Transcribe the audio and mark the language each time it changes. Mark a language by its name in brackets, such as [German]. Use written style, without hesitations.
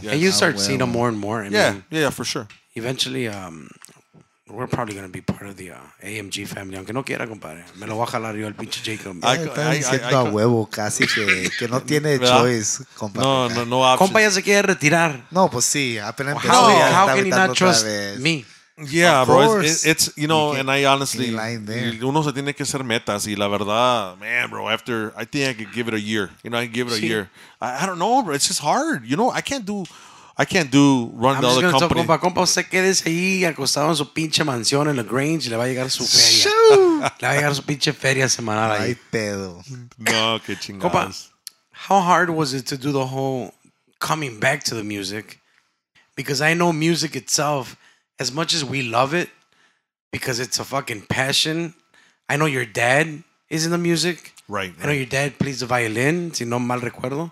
[English] Yes. And you start seeing them more and more. I mean, for sure. Eventually, we're probably going to be part of the AMG family. [Spanish] Aunque no quiera, compadre. Me lo voy a jalar yo el pinche Jacob. Está diciendo a huevo casi que no tiene choice, compadre. [English] No options. [Spanish] Compa ya se quiere retirar. No, pues sí. Apenas empezó. [English] How can you not trust me? Yeah, of bro. It's, you know, you and I honestly... [Spanish] Uno se tiene que hacer metas. Y la verdad, man, bro, after... [English] I think I could give it a year. You know, I could give it a year. I don't know, bro. It's just hard. You know, I can't run the other company. [Spanish] Compa, compa, usted quédese ahí acostado en su pinche mansión en La Grange y le va a llegar su feria. Le va a llegar su pinche feria semanal ahí. Ay, pedo. No, qué chingados. [English] Compa, how hard was it to do the whole coming back to the music? Because I know music itself, as much as we love it, because it's a fucking passion, I know your dad is in the music. Right. I know your dad plays the violin, [Spanish] si no mal recuerdo.